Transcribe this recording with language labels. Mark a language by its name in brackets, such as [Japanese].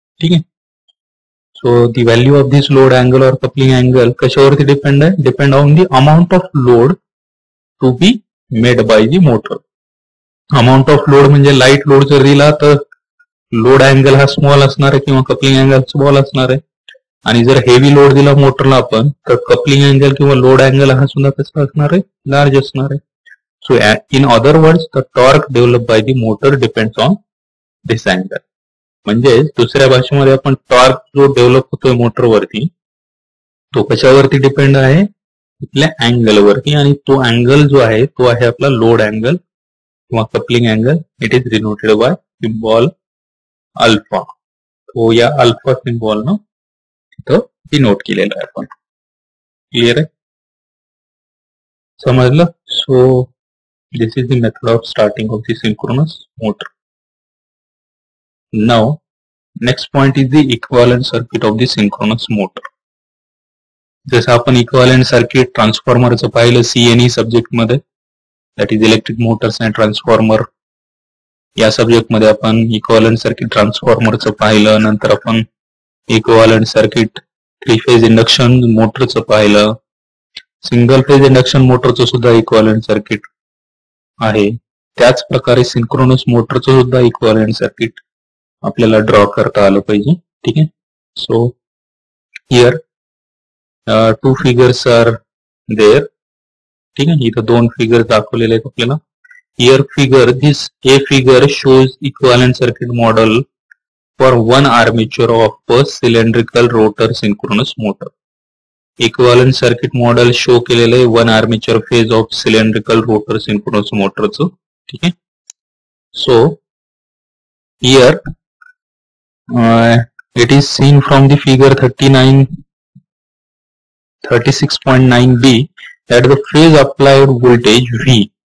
[Marathi] ठीक आहे. [English] so the value of this load angle or coupling angle [Marathi] कशावरती depend आहे [English] Depend on the amount of load to be made by the motor. [Marathi] Amount of load म्हणजे light load जर दिला तर load angle हा small असणार आहे किंवा coupling angle small असणार आहे. आणि जर हेवी लोड दिला मोटरला आपण तर कपलिंग अँगल किंवा लोड अँगल हा सुद्धा कसा असणार आहे लार्ज असणार आहे. [English] So in other words the torque develop by the motor depends on this angle. [Marathi] म्हणजे दुसऱ्या भाषेमध्ये आपण टॉर्क जो डेव्हलप होतोय मोटरवरती तो कशावरती डिपेंड आहे इथल्या अँगलवरती. आणि तो अँगल जो आहे तो आहे आपला लोड अँगल किंवा coupling angle. [English] It is denoted by symbol alpha. [Marathi] तो या अल्फा सिम्बॉल ना तिथं डिनोट केलेला आहे आपण. क्लिअर आहे. समजलं. [English] So this is the method of starting of the synchronous motor. Now, next point is the equivalent circuit of the synchronous motor. [Marathi] जसं आपण इक्वालंट सर्किट ट्रान्सफॉर्मरचं पाहिलं सीएनई सब्जेक्ट मध्ये, [English] That is electric motors and transformer. [Marathi] या subject मध्ये आपण इक्वालंट circuit ट्रान्सफॉर्मरचं पाहिलं. नंतर आपण इक्वालंट सर्किट थ्री फेज इंडक्शन मोटरचं पाहिलं. सिंगल फेज इंडक्शन मोटरचं सुद्धा इक्वालंट सर्किट आहे. त्याचप्रकारे सिंक्रोनस मोटरचं सुद्धा इक्वालंट सर्किट आपल्याला ड्रॉ करता आलं पाहिजे. ठीक आहे. [English] So here two figures are there. [Marathi] ठीक आहे. इथं दोन फिगर दाखवलेले आहेत आपल्याला. [English] Here figure this a figure shows equivalent circuit model for one armature of a cylindrical rotor synchronous motor. [Marathi] Equivalent circuit model show केलेलं आहे one armature phase of cylindrical rotor synchronous मोटरचं. ठीक आहे. [English] So here it is seen from the figure 36.9B that the phase applied voltage V.